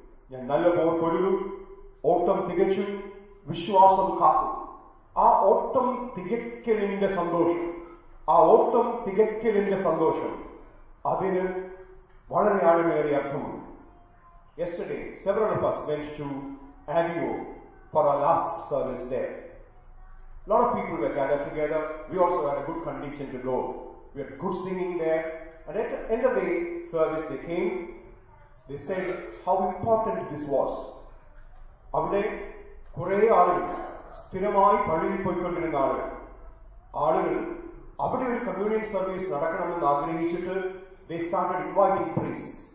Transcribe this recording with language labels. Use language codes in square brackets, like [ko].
[ml] ഞാൻ നല്ല പോർട്ട് ഒഴുകും, ഓട്ടം തികച്ചു, വിശ്വാസം കാത്തു. ആ ഓട്ടം തികക്കലിന്റെ സന്തോഷം, ആ ഓട്ടം തികക്കലിന്റെ സന്തോഷം, അതിന് വളരെ ആഴമേറിയ അർത്ഥമുണ്ട്. [en] Yesterday, several of us went to Avio for our last service there. A lot of people were gathered together. We also had a good condition to go. We had good singing there. And at the end of the service, they came. They said how important this was. [ml] അവിടെ കുറേ ആളുകൾ സ്ഥിരമായി പള്ളിയിൽ പോയിക്കൊണ്ടിരുന്ന ആളുകൾ അവിടെ ഒരു communion service നടക്കണമെന്ന് ആഗ്രഹിച്ചിട്ട് [en] they started inviting priests.